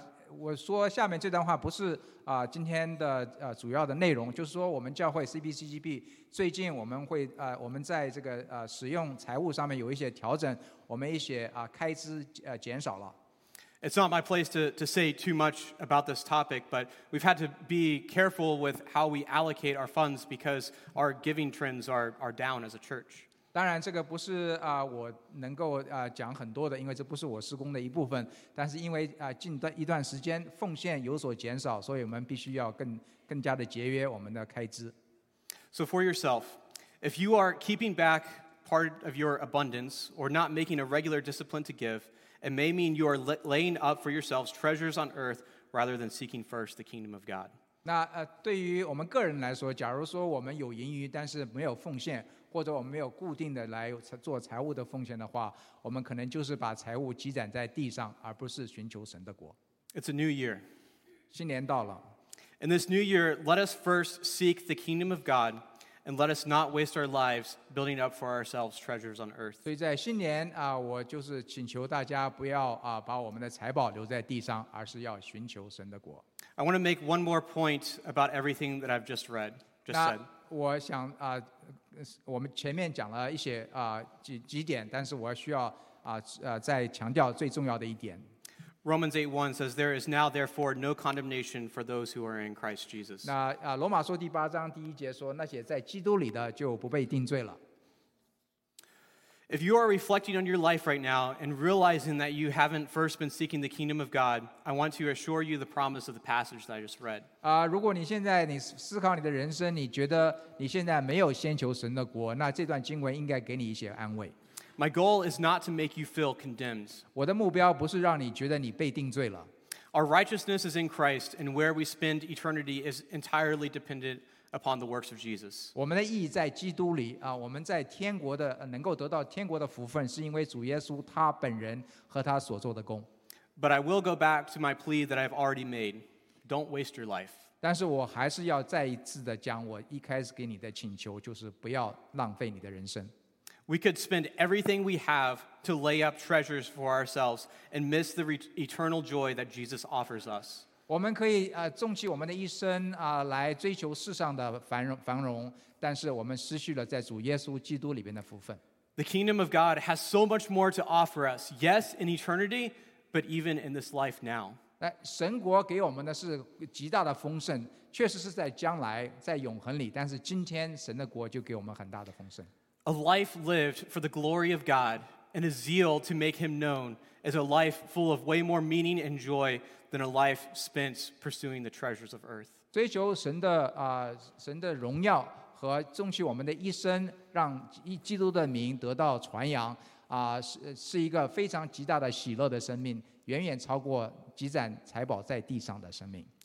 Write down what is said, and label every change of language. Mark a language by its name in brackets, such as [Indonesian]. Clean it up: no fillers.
[Chinese] 我说下面这段话不是今天的主要的内容，就是说我们教会 CBCGB 最近我们在这个使用财务上面有一些调整，我们一些开支减少了。 [English] It's not my place to say too much about this topic, but we've had to be careful with how we allocate our funds because our giving trends are down as a church. [Chinese] 当然这个不是我能够讲很多的，因为这不是我施工的一部分，但是因为近一段时间奉献有所减少，所以我们必须要更加的节约我们的开支。 [English] So for yourself, if you are keeping back part of your abundance or not making a regular discipline to give, it may mean you are laying up for yourselves treasures on earth rather than seeking first the kingdom of God. [Chinese] 那对于我们个人来说，假如说我们有盈余但是没有奉献，或者我们没有固定的来做财务的奉献的话，我们可能就是把财务积攒在地上，而不是寻求神的国。 [English] It's a new year. [Chinese] 新年到了。 [English] In this new year, let us first seek the kingdom of God, and let us not waste our lives building up for ourselves treasures on earth. [Chinese] 所以在新年我就是请求大家不要把我们的财宝留在地上，而是要寻求神的国。 [English] I want to make one more point about everything that I've just read, just said. [Chinese] 我想我们前面讲了一些几点，但是我需要再强调最重要的一点。 [English] Romans 8:1 says, "There is now therefore no condemnation for those who are in Christ Jesus." [Chinese] 那罗马书第八章第一节说，那些在基督里的就不被定罪了。 [English] If you are reflecting on your life right now and realizing that you haven't first been seeking the kingdom of God, I want to assure you the promise of the passage that I just read. [Chinese] 如果你现在你思考你的人生，你觉得你现在没有先求神的国，那这段经文应该给你一些安慰。 [English] My goal is not to make you feel condemned. [Chinese] 我的目标不是让你觉得你被定罪了。 [English] Our righteousness is in Christ, and where we spend eternity is entirely dependent upon the works of Jesus. [Chinese] 我们的义在基督里我们在天国的能够得到天国的福分，是因为主耶稣他本人和他所做的工。 [English] But I will go back to my plea that I've already made. Don't waste your life. [Chinese] 但是我还是要再一次的讲我一开始给你的请求，就是不要浪费你的人生。 [English] We could spend everything we have to lay up treasures for ourselves and miss the eternal joy that Jesus offers us. [Chinese] 我们可以纵起我们的一生来追求世上的繁荣，但是我们失去了在主耶稣基督里边的福分。 [English] The kingdom of God has so much more to offer us, yes, in eternity, but even in this life now. [Chinese] 神国给我们的是极大的丰盛，确实是在将来，在永恒里，但是今天神的国就给我们很大的丰盛。 [English] A life lived for the glory of God and a zeal to make him known is a life full of way more meaning and joy than a life spent pursuing the treasures of earth. [Chinese] 追求神的荣耀和纵起我们的一生让基督的名得到传扬是一个非常极大的喜乐的生命，远远超过积攒财宝在地上的生命。